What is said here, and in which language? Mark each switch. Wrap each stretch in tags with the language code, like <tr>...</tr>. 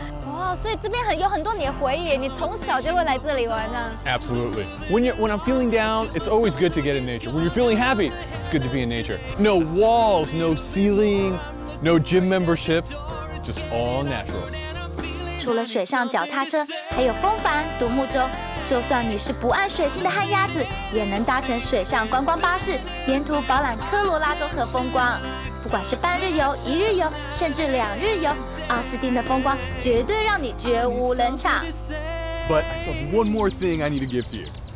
<zh>哇、wow, ，所以这边有很多你的回忆，你从小就会来这里玩呢。</zh> <en>Absolutely. When I'm feeling down, it's always good to get in nature. When you're feeling happy, it's good to be in nature. No walls, no ceiling, no gym membership, just all natural.</en> <zh>除了水上脚踏车，还有风帆、独木舟。就算你是不爱水性的旱鸭子，也能搭乘水上观光巴士，沿途饱览科罗拉多河风光。不管是半日游、一日游，甚至两日游，奥斯汀的风光绝对让你绝无冷场。</zh> <en>But I have one more thing I need to give to you.</en>